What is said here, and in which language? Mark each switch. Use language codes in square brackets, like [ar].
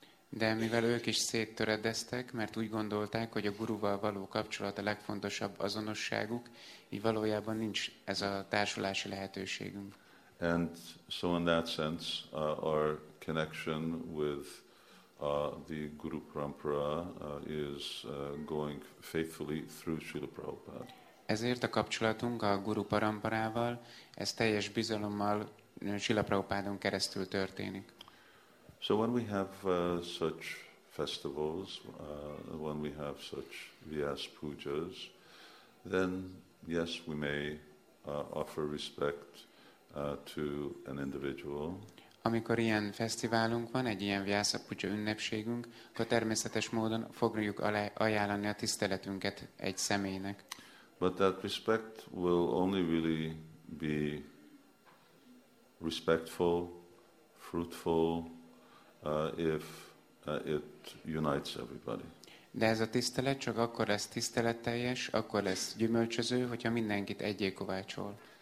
[hu] De mivel ők is széttöredeztek, mert úgy gondolták, hogy a guruval való kapcsolat a legfontosabb azonosságuk, így valójában nincs ez a társulási lehetőségünk. [en] And so in that sense our connection with the Guru Parampara is going faithfully through Srila Prabhupada. [hu] Ezért a kapcsolatunk a Guru Paramparával, ez teljes bizalommal Srila Prabhupádon keresztül történik. [en] So when we have such festivals, when we have such Vyas Pujas, then yes, we may offer respect to an individual. [hu] Amikor ilyen fesztiválunk van, egy ilyen Vyasa Puja ünnepségünk, akkor természetes módon fogjuk ajánlani a tiszteletünket egy személynek. [en] But that respect will only really be respectful, fruitful, if it unites everybody. [hu] De ez a tisztelet csak akkor lesz tiszteletteljes, akkor lesz gyümölcsöző, hogyha mindenkit egyé kovácsol.